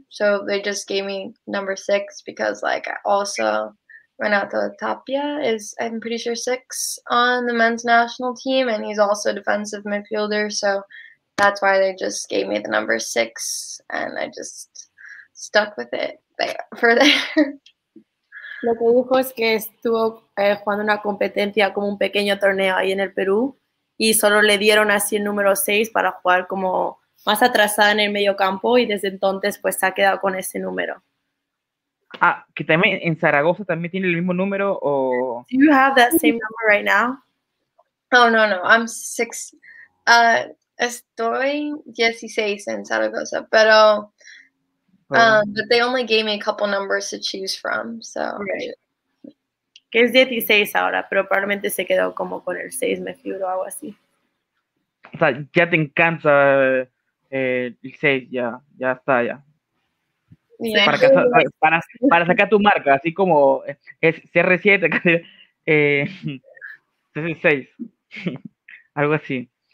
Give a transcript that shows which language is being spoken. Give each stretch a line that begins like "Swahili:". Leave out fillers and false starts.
English: So they just gave me number six because like I also Renato Tapia is, I'm pretty sure, six on the men's national team, and he's also a defensive midfielder, so that's why they just gave me the number six, and I just stuck with it there, for there.
Spanish: Lo que dijo es que estuvo jugando una competencia como un pequeño torneo ahí en el Perú y solo le dieron así el número 6 para jugar como más atrasada en el medio campo y desde entonces pues se ha quedado con ese número. Ah, que también en Zaragoza también tiene el mismo número o...
English: Do you have that same number right now? Oh, no, I'm 6.
Spanish: Estoy 16 en Zaragoza, pero...
English: But they only gave me a couple numbers to choose from, so Right.
Spanish: Que es 16 ahora, pero probablemente se quedó como con el 6, me figuro, algo así. sea, ya te encanta el 6, ya está, ya.
English: Yeah.
Spanish: Para sacar tu marca, así como es CR7, 6. Algo así.